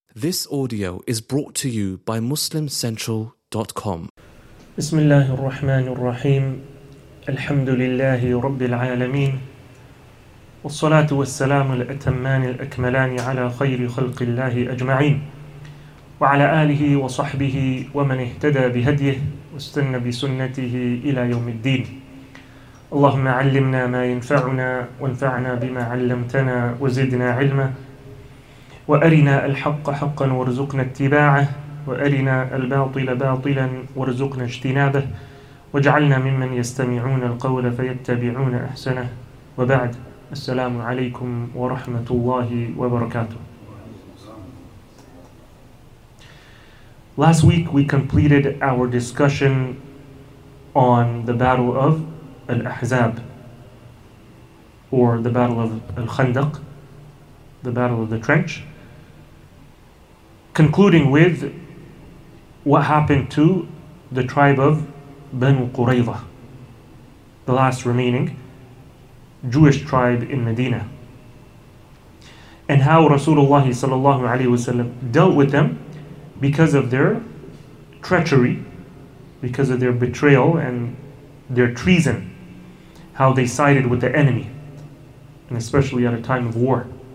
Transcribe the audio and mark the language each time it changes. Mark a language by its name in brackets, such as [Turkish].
[English] This audio is brought to you by MuslimCentral.com. [Arabic] بسم الله الرحمن الرحيم الحمد لله رب العالمين والصلاة والسلام الأتمان الأكملان على خير خلق الله أجمعين وعلى آله وصحبه ومن اهتدى بهديه واستنى بسنته إلى يوم الدين. اللهم علمنا ما ينفعنا وانفعنا بما علمتنا وزدنا علما وأرنا الحق حقا وارزقنا اتباعه وأرنا الباطل باطلا وارزقنا اجتنابه واجعلنا ممن يستمعون القول فيتبعون أحسنه وبعد. السلام عليكم ورحمة الله وبركاته. [English] Last week we completed our discussion on the battle of Al-Ahzab or the battle of Al-Khandaq, the battle of the trench, concluding with what happened to the tribe of Banu Qurayza, the last remaining Jewish tribe in Medina, and how Rasulullah sallallahu alayhi wasallam dealt with them because of their treachery, because of their betrayal and their treason, how they sided with the enemy, and especially at a time of war.